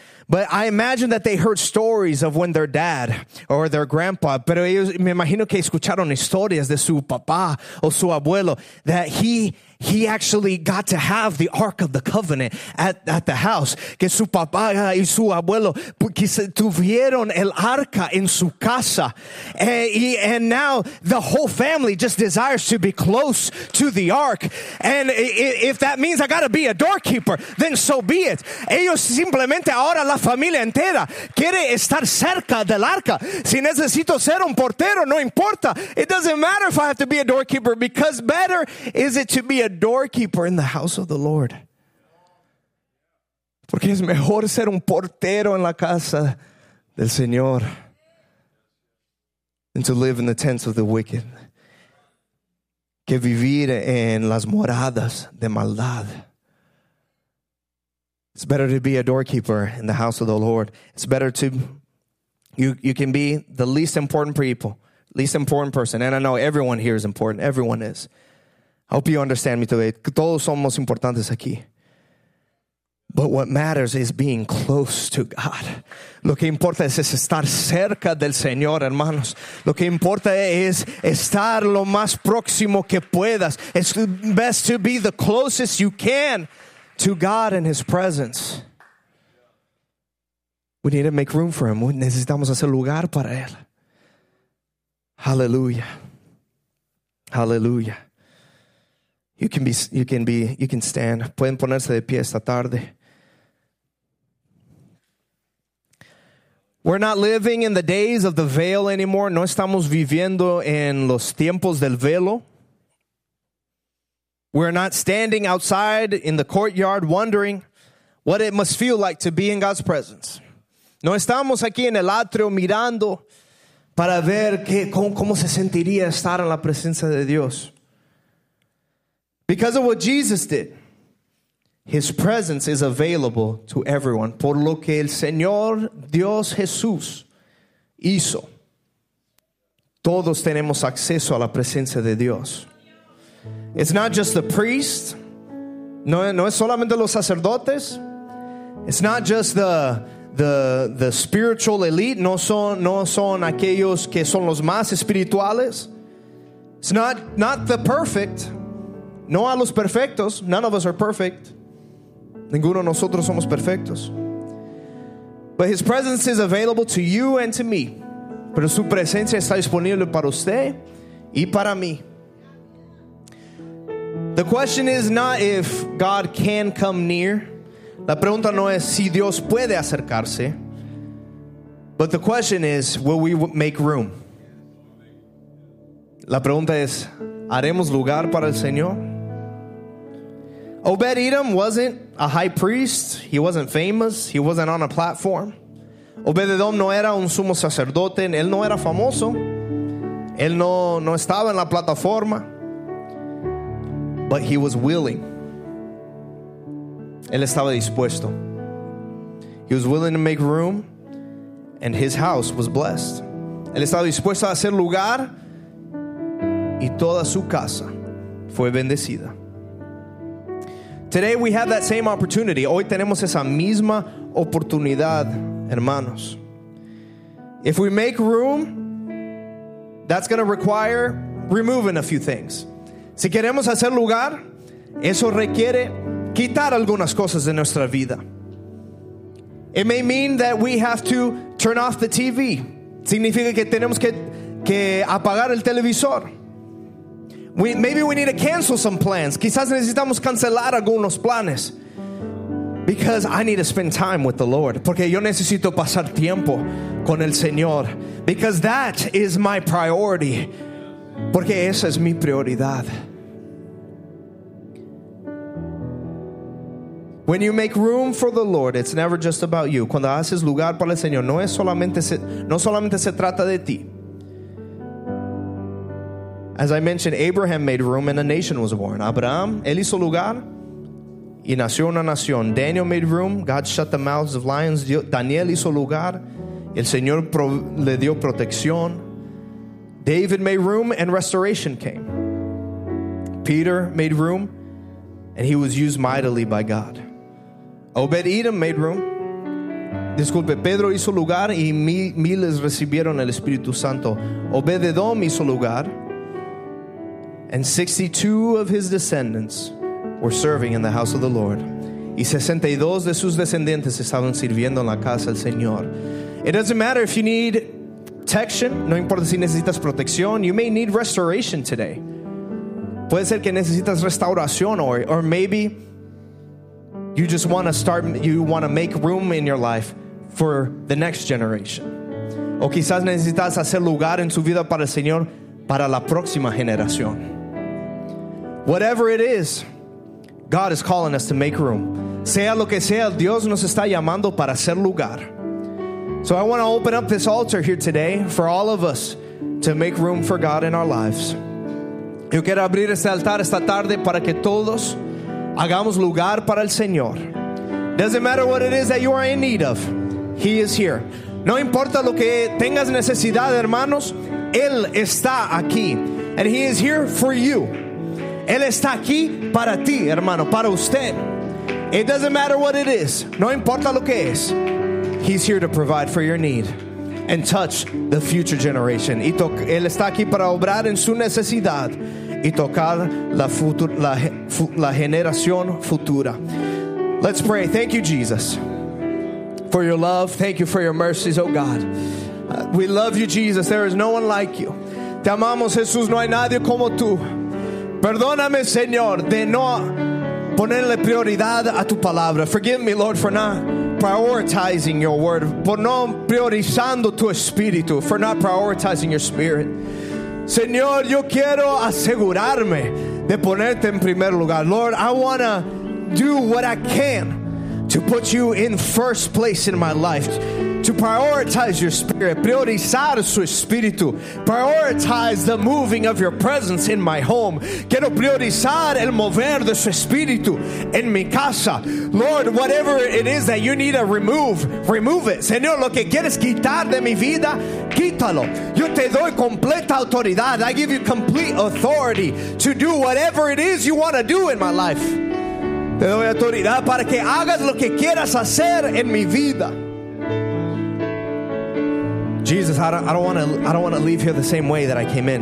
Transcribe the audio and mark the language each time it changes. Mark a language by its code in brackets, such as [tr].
[en] But I imagine that they heard stories of when their dad or their grandpa, [es] pero ellos, me imagino que escucharon historias de su papá o su abuelo, [en] that he actually got to have the Ark of the Covenant at the house. [es] Que su papá y su abuelo tuvieron el arca en su casa. [en] And now the whole family just desires to be close to the Ark. And if that means I gotta be a doorkeeper, then so be it. [es] Ellos simplemente ahora la familia entera quiere estar cerca del arca. Si necesito ser un portero, no importa. [en] It doesn't matter if I have to be a doorkeeper, because better is it to be a doorkeeper in the house of the Lord. [es] Porque es mejor ser un portero en la casa del Señor [en] than to live in the tents of the wicked. [es] Que vivir en las moradas de maldad. [en] It's better to be a doorkeeper in the house of the Lord. It's better to, you can be the least important people, least important person. And I know everyone here is important. Everyone is. I hope you understand me today. [es] Todos somos importantes aquí. [en] But what matters is being close to God. [es] Lo que importa es estar cerca del Señor, hermanos. Lo que importa es estar lo más próximo que puedas. [en] It's best to be the closest you can to God and His presence. We need to make room for Him. [es] Necesitamos hacer lugar para Él. [en] Hallelujah. Hallelujah. You can stand. [es] Pueden ponerse de pie esta tarde. [en] We're not living in the days of the veil anymore. [es] No estamos viviendo en los tiempos del velo. [en] We're not standing outside in the courtyard wondering what it must feel like to be in God's presence. [es] No estamos aquí en el atrio mirando para ver cómo se sentiría estar en la presencia de Dios. [en] Because of what Jesus did, His presence is available to everyone. [es] Por lo que el Señor Dios Jesús hizo, todos tenemos acceso a la presencia de Dios. [en] It's not just the priest. [es] No es solamente los sacerdotes. [en] It's not just the spiritual elite. [es] No son aquellos que son los más espirituales. [en] It's not the perfect. [es] No a los perfectos. [en] None of us are perfect. [es] Ninguno de nosotros somos perfectos. [en] But his presence is available to you and to me. [es] Pero su presencia está disponible para usted y para mí. [en] The question is not if God can come near. [es] La pregunta no es si Dios puede acercarse. [en] But the question is, will we make room? [es] La pregunta es, ¿haremos lugar para el Señor? [en] Obed-Edom wasn't a high priest. He wasn't famous. He wasn't on a platform. [es] Obed-Edom no era un sumo sacerdote. Él no era famoso. Él no estaba en la plataforma. [en] But he was willing. [es] Él estaba dispuesto. [en] He was willing to make room, and his house was blessed. [es] Él estaba dispuesto a hacer lugar, y toda su casa fue bendecida. [en] Today we have that same opportunity. [es] Hoy tenemos esa misma oportunidad, hermanos. [en] If we make room, that's going to require removing a few things. [es] Si queremos hacer lugar, eso requiere quitar algunas cosas de nuestra vida. [en] It may mean that we have to turn off the TV. [es] Significa que tenemos que apagar el televisor. [en] Maybe we need to cancel some plans. [es] Quizás necesitamos cancelar algunos planes. [en] Because I need to spend time with the Lord. [es] Porque yo necesito pasar tiempo con el Señor. [en] Because that is my priority. [es] Porque esa es mi prioridad. [en] When you make room for the Lord, it's never just about you. [es] Cuando haces lugar para el Señor, no solamente se trata de ti. [en] As I mentioned, Abraham made room and a nation was born. [es] Abraham, él hizo lugar y nació una nación. [en] Daniel made room, God shut the mouths of lions. [es] Daniel hizo lugar, el Señor le dio protección. [en] David made room and restoration came. Peter made room and he was used mightily by God. Obed-Edom made room. [es] Disculpe, Pedro hizo lugar y miles recibieron el Espíritu Santo. Obed-Edom hizo lugar. [en] And 62 of his descendants were serving in the house of the Lord. [es] Y 62 de sus descendientes estaban sirviendo en la casa del Señor. [en] It doesn't matter if you need protection. [es] No importa si necesitas protección. [en] You may need restoration today. [es] Puede ser que necesitas restauración hoy. [en] Or maybe you just want to start, you want to make room in your life for the next generation. [es] O quizás necesitas hacer lugar en su vida para el Señor para la próxima generación. [en] Whatever it is, God is calling us to make room. [es] Sea lo que sea, Dios nos está llamando para hacer lugar. [en] So I want to open up this altar here today for all of us to make room for God in our lives. [es] Yo quiero abrir este altar esta tarde para que todos hagamos lugar para el Señor. [en] Doesn't matter what it is that you are in need of, He is here. [es] No importa lo que tengas necesidad, hermanos, Él está aquí. [en] And He is here for you. [es] Él está aquí para ti, hermano, para usted. [en] It doesn't matter what it is. [es] No importa lo que es. [en] He's here to provide for your need and touch the future generation. [es] Él está aquí para obrar en su necesidad y tocar la generación futura. [en] Let's pray. Thank you, Jesus, for your love. Thank you for your mercies, oh God. We love you, Jesus. There is no one like you. [es] Te amamos, Jesús. No hay nadie como tú. Perdóname, Señor, de no ponerle prioridad a tu palabra. [en] Forgive me, Lord, for not prioritizing your word, [es] por no priorizando tu espíritu, [en] for not prioritizing your spirit. [es] Señor, yo quiero asegurarme de ponerte en primer lugar. [en] Lord, I want to do what I can to put you in first place in my life, to prioritize your spirit, [es] priorizar su espíritu, [en] prioritize the moving of your presence in my home. [es] Quiero priorizar el mover de su espíritu en mi casa. [en] Lord, whatever it is that you need to remove, remove it. [es] Señor, lo que quieres quitar de mi vida, quítalo. Yo te doy completa autoridad. [en] I give you complete authority to do whatever it is you want to do in my life. [es] Te doy autoridad para que hagas lo que quieras hacer en mi vida. [en] Jesus, I don't want to leave here the same way that I came in.